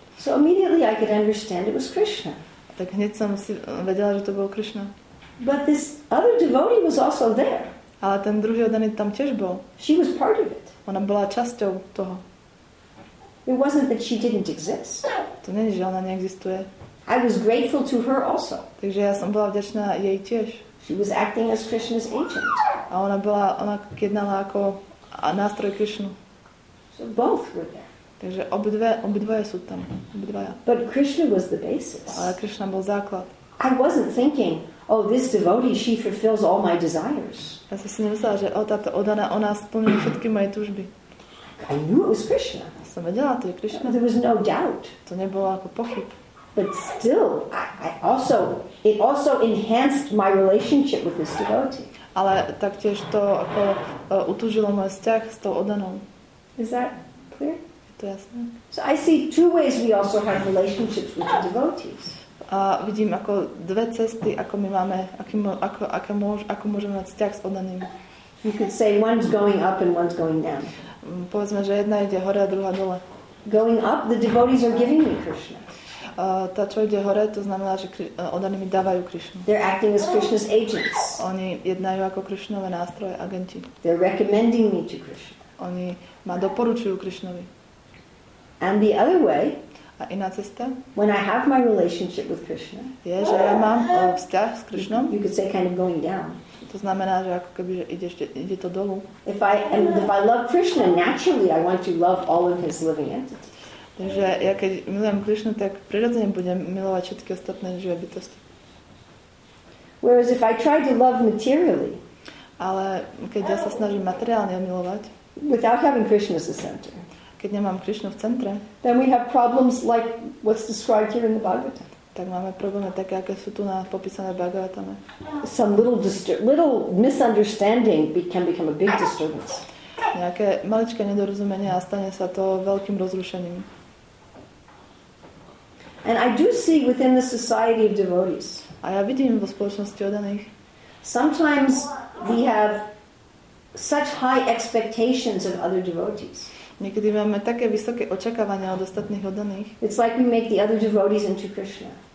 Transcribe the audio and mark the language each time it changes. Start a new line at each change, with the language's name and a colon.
English: So immediately I could understand it was Krishna.
Slovak: Tak hneď som si vedela, že to bol Krishna.
English: But this other devotee was also there.
Slovak: Ale ten druhý oddaný tam tiež bol.
English: She was part of it.
Slovak: Ona bola časťou toho.
English: It wasn't that she didn't exist.
Slovak: To nie je, že ona neexistuje.
English: I was grateful to her also.
Slovak: Takže ja som bola vďačná jej tiež.
English: She was acting as Krishna's agent.
Slovak: A ona jednala ako nástroj Krishnu.
English: So both were there.
Slovak: Takže obidvoje sú tam. Obidvoja.
English: But Krishna was the basis.
Slovak: Ale Krishna bol základ.
English: I wasn't thinking, oh, this devotee, she fulfills all my desires.
Slovak: Ja som si nemyslela, že táto oddaná, ona splní všetky moje túžby.
English: I knew it was Krishna.
Slovak: Som vedela, to je Krishna.
English: There was no doubt.
Slovak: To nebolo ako pochyb.
English: But still, it also enhanced my relationship with this devotee.
Slovak: Ale taktiež to ako utužilo môj vzťah s tou oddanou.
English: Is that clear?
Slovak: Je to jasné.
English: So I see two ways we also have relationships with the devotees.
Slovak: A vidím ako dve cesty, ako my máme, ako môžeme mať vzťah s oddaným.
English: You could say one's going up and one's going down.
Slovak: Povedzme, že jedna ide hore a druhá dole.
English: Going up, the devotees are giving me Krishna.
Slovak: Tá, čo ide hore, to znamená, že oddaní mi dávajú Krishnu.
English: They're acting as Krishna's agents.
Slovak: Oni jednajú ako Krishnove nástroje, agenti.
English: They're recommending me to Krishna.
Slovak: Oni ma doporučujú Krishnovi.
English: And the other way,
Slovak: A iná cesta?
English: When I have my relationship with Krishna,
Slovak: je, že ja mám vzťah s Krishnom.
English: You could say kind of going down.
Slovak: To znamená, že ako keby že ide to dolu.
English: If I love Krishna, naturally I want to love all of his living entities.
Slovak: Takže ja keď milujem Krishnu, tak prirodzene budem milovať všetky ostatné živé bytosti.
English: Whereas if I try to love materially,
Slovak: ale keď ja sa snažím materiálne milovať,
English: without having Krishna as the center,
Slovak: keď nemám Krishnu v centre,
English: then we have problems like what's described here in the Bhagavatam.
Slovak: Tak máme problémy také, aké sú tu na popísané Bhagavatame.
English: Some little misunderstanding can become a big disturbance.
Slovak: Nejaké maličké nedorozumenie a stane sa to veľkým rozrušením.
English: And I do see within the society of devotees.
Slovak: A ja vidím vo spoločnosti oddaných.
English: Sometimes we have such high expectations of other devotees.
Slovak: Niekedy máme také vysoké očakávania od ostatných oddaných.
English: It's like we make the other devotees into Krishna.